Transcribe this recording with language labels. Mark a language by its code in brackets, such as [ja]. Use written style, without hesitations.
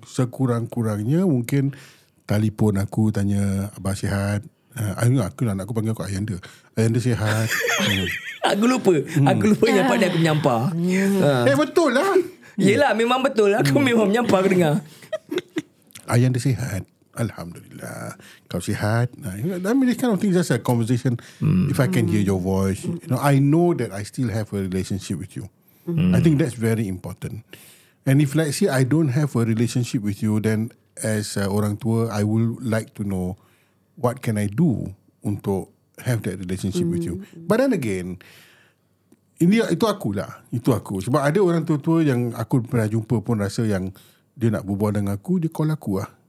[ms] Sekurang-kurangnya mungkin telefon aku tanya abah sihat. Aku nak anak aku panggil aku Ayanda. Ayanda sihat. Aku lupa yang pada aku menyampah. Betul lah. Yelah memang betul lah. Aku memang menyampah aku dengar. Ayah dia sihat. Alhamdulillah. Kau sihat. [en] I mean, this kind of thing is just a conversation. If I can hear your voice. You know, I know that I still have a relationship with you. I think that's very important. And if, let's say, I don't have a relationship with you, then as [ms] orang tua, [en] I would like to know what can I do [ms] untuk [en] have that relationship with you. But then again, [ms] itu aku. Sebab ada orang tua-tua yang aku pernah jumpa pun rasa yang dia nak berbual dengan aku, dia call aku lah.